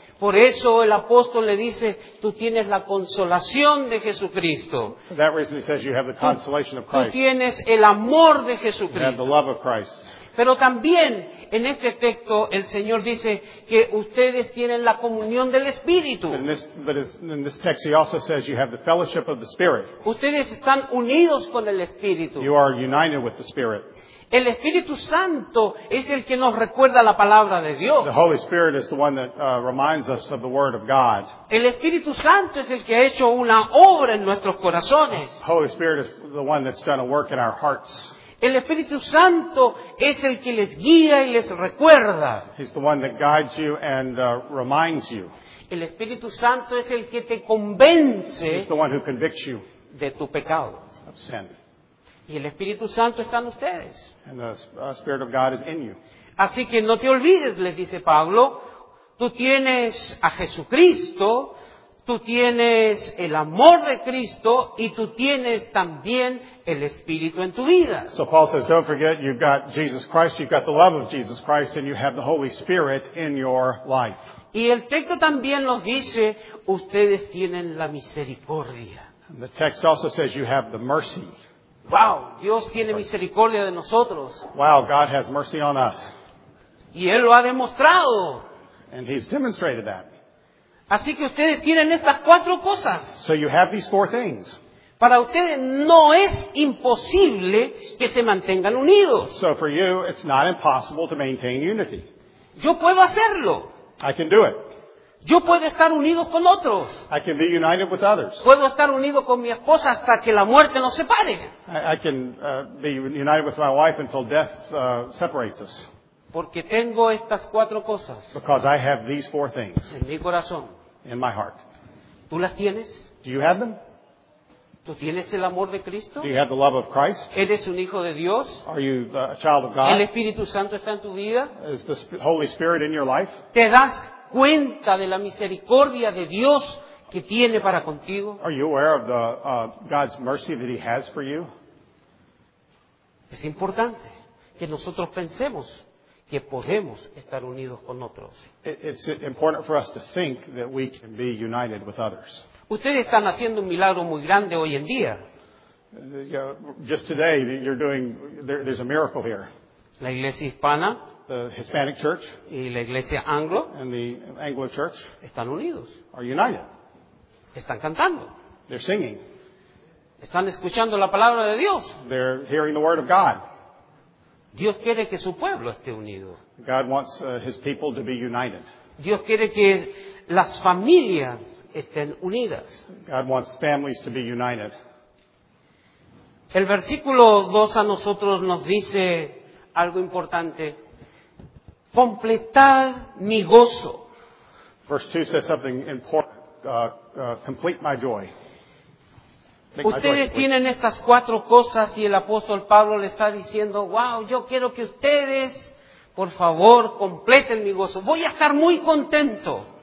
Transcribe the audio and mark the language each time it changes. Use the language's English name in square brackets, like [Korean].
[Spanish] Por eso el apóstol le dice, tú tienes la consolación de Jesucristo. [English] For that reason he says you have the consolation of Christ. [Spanish] Tú tienes el amor de Jesucristo. [English] You have the love of Christ. [Spanish] Pero también en este texto el Señor dice que ustedes tienen la comunión del Espíritu. [English] In this text he also says you have the fellowship of the Spirit. [Spanish] Ustedes están unidos con el Espíritu. [English] You are united with the Spirit. [Spanish] El Espíritu Santo es el que nos recuerda la palabra de Dios. [English] The Holy Spirit is the one that reminds us of the Word of God. [Spanish] El Espíritu Santo es el que ha hecho una obra en nuestros corazones. [English] The Holy Spirit is the one that's done a work in our hearts. [Spanish] El Espíritu Santo es el que les guía y les recuerda. [English] He's the one that guides you and reminds you. [Spanish] El Espíritu Santo es el que te convence. [English] He's the one who convicts you. [Spanish] De tu pecado. [English] Of sin. [Spanish] Y el Espíritu Santo está en ustedes. [English] And the Spirit of God is in you. [Spanish] Así que no te olvides, les dice Pablo, tú tienes a Jesucristo, tú tienes el amor de Cristo y tú tienes también el Espíritu en tu vida. [English] So Paul says, don't forget, you've got Jesus Christ, you've got the love of Jesus Christ, and you have the Holy Spirit in your life. [Spanish] Y el texto también nos dice, ustedes tienen la misericordia. [English] And the text also says you have the mercy. [Spanish] Wow, Dios tiene misericordia de nosotros. [English] Wow, God has mercy on us. [Spanish] Y Él lo ha demostrado. [English] And He's demonstrated that. [Spanish] Así que ustedes tienen estas cuatro cosas. [English] So you have these four things. [Spanish] Para ustedes no es imposible que se mantengan unidos. [English] So for you, it's not impossible to maintain unity. [Spanish] Yo puedo hacerlo. [English] I can do it. [Spanish] Yo puedo estar unido con otros. [English] I can be united with others. [Spanish] Puedo estar unido con mi esposa hasta que la muerte nos separe. [English] I can be united with my wife until death separates us. [Spanish] Porque tengo estas cuatro cosas. [English] Because I have these four things. [Spanish] En mi corazón. [English] In my heart. [Spanish] ¿Tú las tienes? [English] Do you have them? [Spanish] ¿Tú tienes el amor de Cristo? [English] Do you have the love of Christ? [Spanish] ¿Eres un hijo de Dios? [English] Are you a child of God? [Spanish] ¿El Espíritu Santo está en tu vida? [English] Is the Holy Spirit in your life? [Spanish] ¿Te das cuenta de la misericordia de Dios que tiene para contigo? [English] Are you aware of the God's mercy that he has for you? [Spanish] Es importante que nosotros pensemos que podemos estar unidos con otros. [English] It's important for us to think that we can be united with others. [Spanish] Ustedes están haciendo un milagro muy grande hoy en día. [English] You know, just today, you're doing. There's a miracle here. [Spanish] La iglesia hispana, [English] the Hispanic Church, [Spanish] y la iglesia anglo, [English] and the Anglo Church, [Spanish] están unidos. [English] Are united. [Spanish] Están cantando. [English] They're singing. [Spanish] Están escuchando la palabra de Dios. [English] They're hearing the word of God. [Spanish] Dios quiere que su pueblo esté unido. [English] God wants his people to be united. [Spanish] Dios quiere que las familias estén unidas. [English] God wants families to be united. [Spanish] El versículo 2 a nosotros nos dice algo importante. Completad mi gozo. [English] Verse 2 says something important. Complete my joy. [Spanish] Ustedes tienen estas cuatro cosas y el apóstol Pablo le está diciendo, wow, yo quiero que ustedes, por favor, completen mi gozo. Voy a estar muy contento.